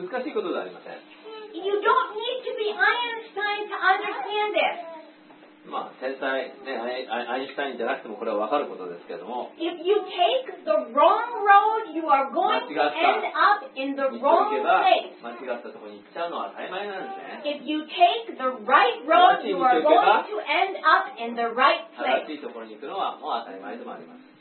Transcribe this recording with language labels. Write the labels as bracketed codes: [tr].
[en] You don't need to be Einstein to understand this. [ja] まあ天才ね、アインシュタインじゃなくてもこれは分かることですけれども。 [en] If you take the wrong road, you are going to end up in the wrong place. [ja] 間違ったところに行っちゃうのは当たり前なんですね。 [en] If you take the right road, you are going to end up in the right place. [ja] 正しいところに行くのはもう当たり前でもあります。